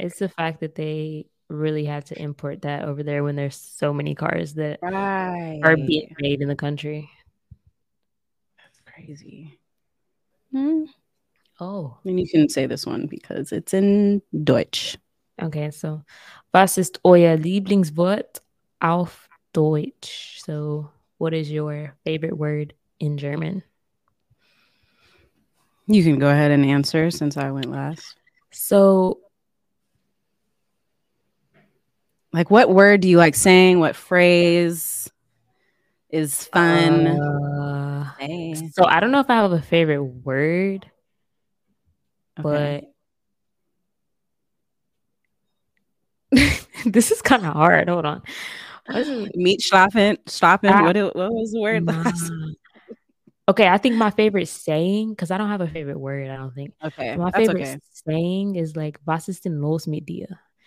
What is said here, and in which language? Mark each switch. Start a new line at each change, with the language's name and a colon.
English: it's the fact that they really had to import that over there when there's so many cars that are being made in the country. That's crazy. Oh, and you can say this one because it's in Deutsch.
German: Okay, so was ist euer Lieblingswort auf Deutsch?
English: So, what is your favorite word in German? You can go ahead and answer since I went last. So, Like, what word do you like saying? What phrase is fun? Hey. so I don't know if I have a favorite word, Okay. but this is kind of hard. Hold on. Wasn't Meat schlafen, stopping. I What was the word last? nah. Okay, I think my favorite saying, because I don't have a favorite word, I don't think. Okay, But my that's favorite okay. saying is like
German: was ist denn los mit dir?